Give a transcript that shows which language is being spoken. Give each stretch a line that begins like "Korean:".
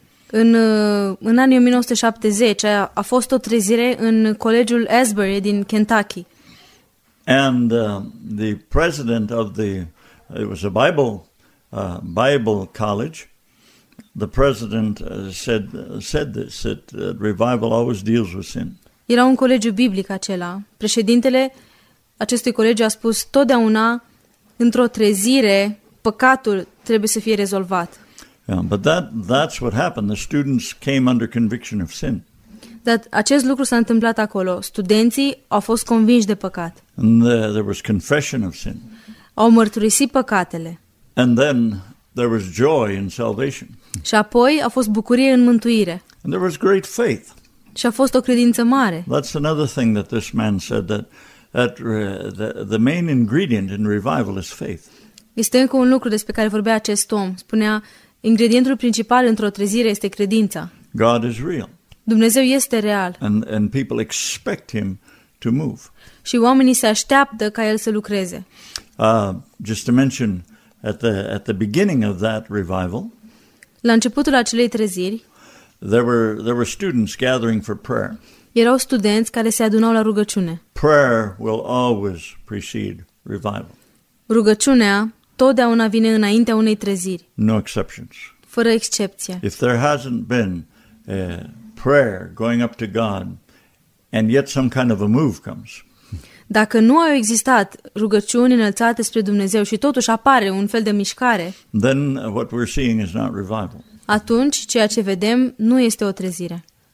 Romanian: În anii 1970 a fost o trezire în colegiul Asbury din Kentucky.
English: And the president of the it was a Bible college. The president said this, that revival always deals with sin.
Romanian: Era un colegiu biblic acela. Președintele acestui colegiu a spus totdeauna într-o trezire păcatul trebuie să fie rezolvat.
English: Yeah, but that's what happened. The students came under conviction of sin.
Romanian: Dar acest lucru s-a întâmplat acolo. Studenții au fost convinși de păcat.
English: And there was confession of sin.
Romanian: Au mărturisit păcatele.
English: And then there was joy in salvation.
Romanian: Și apoi a fost bucurie în mântuire.
English: And there was great faith.
Romanian: Și a fost o credință mare.
English: That's another thing that this man said that the main ingredient in revival is faith.
Romanian: Este încă un lucru despre care vorbea acest om. Spunea, ingredientul principal într-o trezire este credința.
English: God is real.
Romanian: Dumnezeu este real.
English: And people expect him to move.
Romanian: Și oamenii se așteaptă ca el să lucreze.
English: Just to mention at the beginning of that revival.
Romanian: La începutul acelei treziri.
English: There were students gathering for prayer.
Romanian: Erau studenți care se adunau la rugăciune.
English: Prayer will always precede revival.
Romanian: Rugăciunea totdeauna vine înaintea unei treziri.
English: No exceptions.
Romanian: Fără excepție.
English: If there hasn't been a prayer going up to God and yet some kind of a move comes.
Romanian: Dacă nu au existat rugăciuni înălțate spre Dumnezeu și totuși apare un fel de mișcare,
English: then what we're seeing is not revival.
Romanian: Atunci ceea ce vedem nu este o trezire.